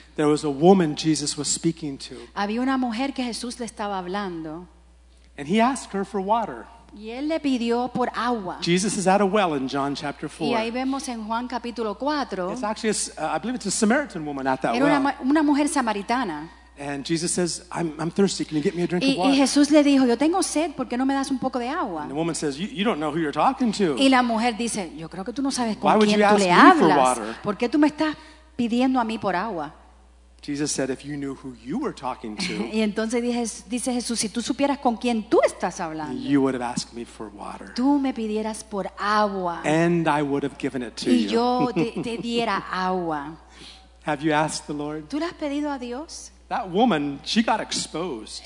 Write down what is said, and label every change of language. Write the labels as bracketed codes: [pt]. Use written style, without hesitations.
[en] There was a woman Jesus was speaking to. [es] Había una mujer que Jesús le estaba hablando. [en] And he asked her for water. [es] Y él le pidió por agua. [en] Jesus is at a well in John chapter 4. [es] Y ahí vemos en Juan capítulo 4. [en] It's actually, I believe it's a Samaritan woman at that [es] era [en] well. [es] Era una mujer samaritana. [en] And Jesus says, I'm thirsty, can you get me a drink of water? [es] Y Jesús le dijo, yo tengo sed, ¿por qué no me das un poco de agua? [en] And the woman says, you don't know who you're talking to. [es] Y la mujer dice, yo creo que tú no sabes con quién tú le hablas. [en] Why would you ask me for water? [es] ¿Por qué tú me estás pidiendo a mí por agua? [en] Jesus said, if you knew who you were talking to, [es] y entonces dice Jesús, si tú supieras con quién tú estás hablando, [en] you would have asked me for water. [es] Tú me pidieras por agua. [en] And I would have given it to [es] y [en] you. [es] Yo te diera agua. [en] Have you asked the Lord? [es] ¿Tú le has pedido a Dios? [en] That woman, she got exposed.